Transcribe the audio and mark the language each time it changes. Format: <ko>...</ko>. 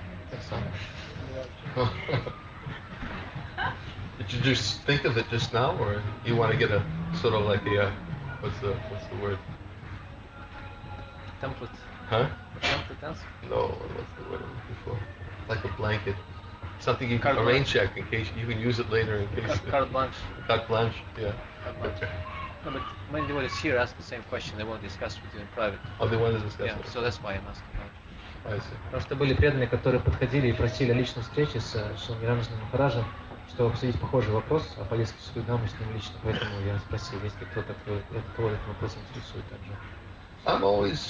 <uk>Так само.</uk> <en>Did you just think of it just now, or you want to get a sort of like a, what's the word? Template. Huh? No, what's the word I'm looking for? Like a blanket. Something you can rain check in case you can use it later in case. Carte blanche. Carte blanche, yeah. No, but many devotees here ask the same question, they won't discuss with you in private. Oh, they want to discuss it. Yeah, so that's why I'm asking. I see.</en> <ru>Потому что были преданные, которые подходили и просили о личной встрече с Шри Рамаджаном Махараджем, чтобы обсудить похожий вопрос о поездке в Святую Даму с ним лично. Поэтому я спросил, есть ли кто-то, кто этот вопрос интересует также.</ru>